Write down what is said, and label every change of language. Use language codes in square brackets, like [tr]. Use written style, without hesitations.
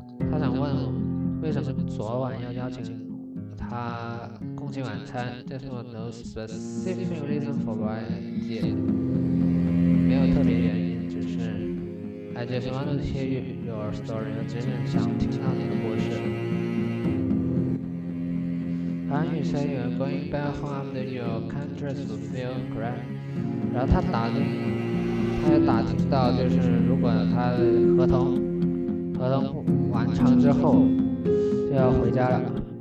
[zh] 他想问为什么昨晚要邀请他共进晚餐。 [en] There's no specific reason for why I did. [zh] 没有特别原因，只是 [en] I just want to hear your story. [zh] 我真正想听到你的故事。 [en] And you say you're going back home after your contract will feel great. [zh] 然后他也打听到，就是如果他的合同完成之后就要回家了。